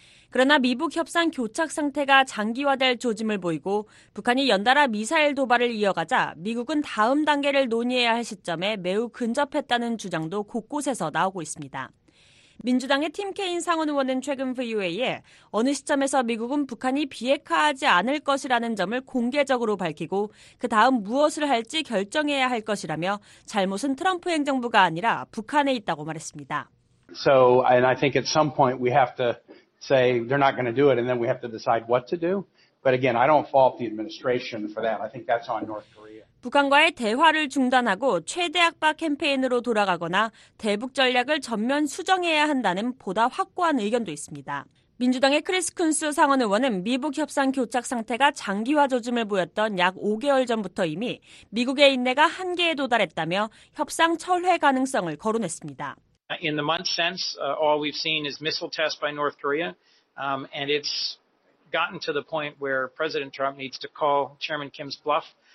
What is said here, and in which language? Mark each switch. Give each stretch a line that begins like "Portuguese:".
Korean: 그러나 미북 협상 교착 상태가 장기화될 조짐을 보이고 북한이 연달아 미사일 도발을 이어가자 미국은 다음 단계를 논의해야 할 시점에 매우 근접했다는 주장도 곳곳에서 나오고 있습니다. 민주당의 팀 케인 상원 의원은 최근 VOA에 어느 시점에서 미국은 북한이 비핵화하지 않을 것이라는 점을 공개적으로 밝히고 그 다음 무엇을 할지 결정해야 할 것이라며 잘못은 트럼프 행정부가 아니라 북한에 있다고 말했습니다.
English: So and I think at some point we have to say they're not going to do it and then we have to decide what to do. But again, I don't fault the administration for that. I think that's on North Korea.
Korean: 북한과의 대화를 중단하고 최대 압박 캠페인으로 돌아가거나 대북 전략을 전면 수정해야 한다는 보다 확고한 의견도 있습니다. 민주당의 크리스 쿤스 상원 의원은 미북 협상 교착 상태가 장기화 조짐을 보였던 약 5개월 전부터 이미 미국의 인내가 한계에 도달했다며 협상 철회 가능성을 거론했습니다.
English: In the months since, all we've seen is missile tests by North Korea, and it's gotten to the point where President Trump needs to call Chairman Kim's bluff.